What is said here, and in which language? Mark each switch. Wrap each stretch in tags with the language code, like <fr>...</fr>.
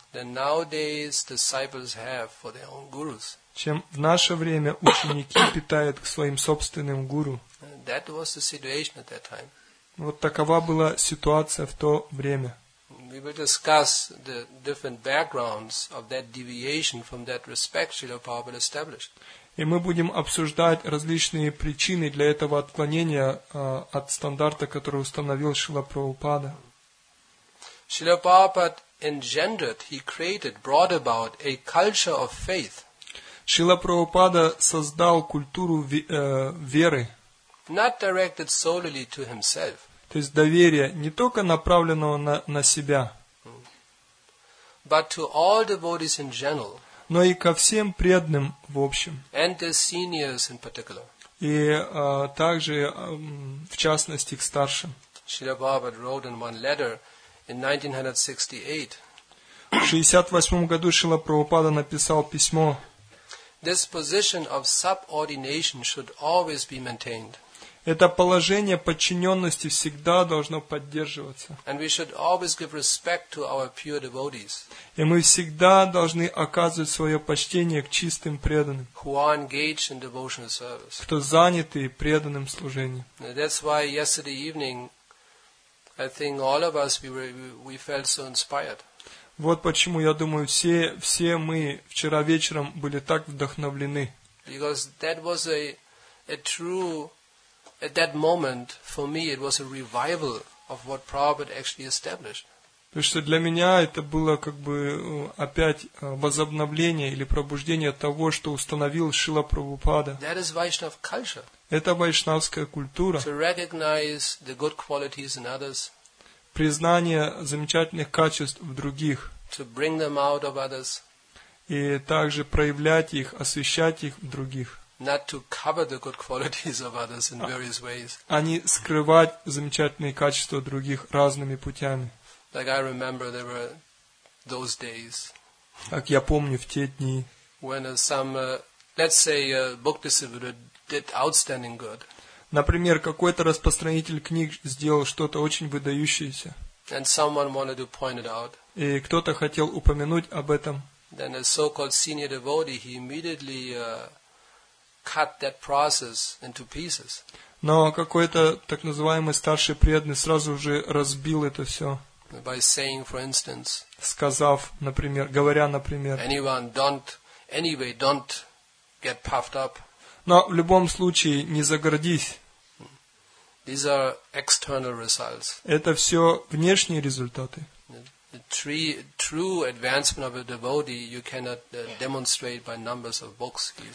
<en>than nowadays disciples have for their own gurus.</en> <ru>Чем в наше время ученики питают к своим собственным гуру.</ru> <en>And that was the situation at that time.</en> <ru>Вот такова была ситуация в то время.</ru> <en>We will discuss the different backgrounds of that deviation from that respect Srila Prabhupada established.</en> <ru>И мы будем обсуждать различные причины для этого отклонения от стандарта, который установил Шрила Прабхупада.</ru> <en>Шрила Прабхупада engendered, he created, brought about a culture of faith.</en> <ru>Шрила Прабхупада создал культуру веры.</ru> <en>Not directed solely to himself.</en> <ru>То есть доверие не только направленного на себя,</ru> <en>but to all devotees in general.</en> <ru>Но и ко всем преданным в общем.</ru> <en>And the seniors in particular.</en> <ru>И также, в частности, к старшим.</ru> <en>Srila Prabhupada wrote in one letter in 1968.</en> <ru>В 68 году Шрила Прабхупада написал письмо.</ru> <en>This position of subordination should always be maintained.</en> <ru>Это положение подчиненности всегда должно поддерживаться.</ru> <en>And we should always give respect to our pure devotees.</en> <ru>И мы всегда должны оказывать свое почтение к чистым преданным,</ru> <en>who are engaged in devotional service.</en> <ru>Кто заняты преданным служением.</ru> <en>That's why yesterday evening, I think all of us, we felt so inspired.</en> <ru>Вот почему, я думаю, все мы вчера вечером были так вдохновлены.</ru> <en>Because that was a true... At that moment, for me, it was a revival of what Prabhupada actually established.</en> <ru>Потому что для меня это было как бы опять возобновление или пробуждение того, что установил Шрила Прабхупада.</ru> <en>That is Vaishnav culture.</en> <ru>Это вайшнавская культура.</ru> <en>To recognize the good qualities in others.</en> <ru>Признание замечательных качеств в других.</ru> <en>To bring them out of others.</en> <ru>И также проявлять их, освещать их в других.</ru> <en>Not to cover the good qualities of others in various ways.</en> <ru>А не скрывать замечательные качества других разными путями.</ru> <en>Like I remember there were those days.</en> <ru>Как я помню в те дни.</ru> <en>When some, let's say, a book distributor did outstanding good.</en> <ru>Например, какой-то распространитель книг сделал что-то очень выдающееся.</ru> <en>And someone wanted to point it out.</en> <ru>И кто-то хотел упомянуть об этом.</ru> <en>Then a so-called senior devotee, he immediately... cut that process into pieces.</en> <ru>Но какой-то так называемый старший преданный сразу же разбил это все.</ru> <en>By saying, for instance,</en> <ru>сказав, например, говоря, например,</ru> <en>anyone, don't anyway, don't get puffed up.</en> <ru>Но в любом случае не загордись.</ru> <en>These are external results.</en> <ru>Это все внешние результаты.</ru> <en>The true advancement of a devotee you cannot demonstrate by numbers of books.</en>